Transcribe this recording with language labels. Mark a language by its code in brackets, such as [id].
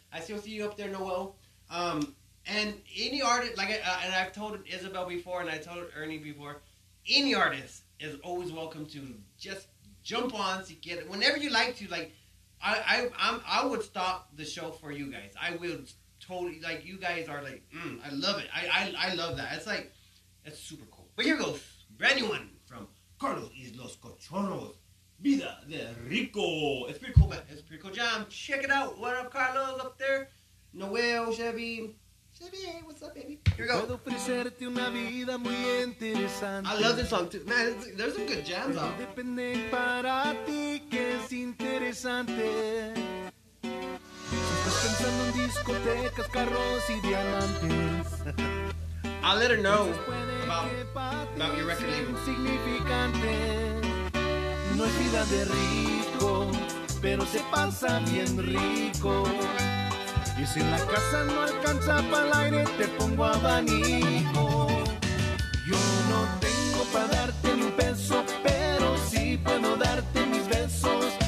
[en] I still see you up there, Noel. And any artist, like, and I've told Isabel before, and I told Ernie before, any artist is always welcome to just jump on to get it whenever you like to. Like, I would stop the show for you guys. I will totally, like, you guys are like, I love it. I love that. It's like, it's super cool. But here goes, brand new one. [es] Carlos y los cochorros, vida de rico. [en] It's pretty cool, man. It's a pretty cool jam. Check it out. What up, Carlos, up there? Noel, Chevy. Chevy, hey, what's up, baby? Here we go. [es] Puedo ofrecerte una vida muy interesante. [en] I love this song, too. Man, there's some good jams on. [es] Depende para ti que es interesante. Estás pensando en discotecas, carros y diamantes. [en] I'll let her know about your record label. [es] Insignificante. No es vida de rico, pero se pasa bien rico. Y si en la casa no alcanza para el aire, te pongo abanico. Yo no tengo para darte ni un peso, pero sí puedo darte mis besos.